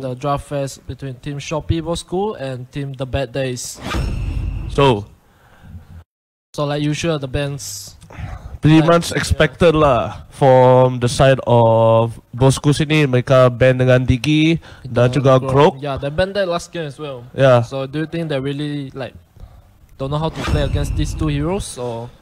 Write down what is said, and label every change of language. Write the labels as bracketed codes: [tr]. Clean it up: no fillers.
[en] The draft fest between Team Shopee Boskur and Team The Bad Days. So like usual, the bands. Pretty much expected lah from the side of Boskur sini. [id] Mereka band dengan Digi dan juga Croak. [en] Yeah, they band that last game as well. Yeah. So do you think they really like don't know how to play against these two heroes or?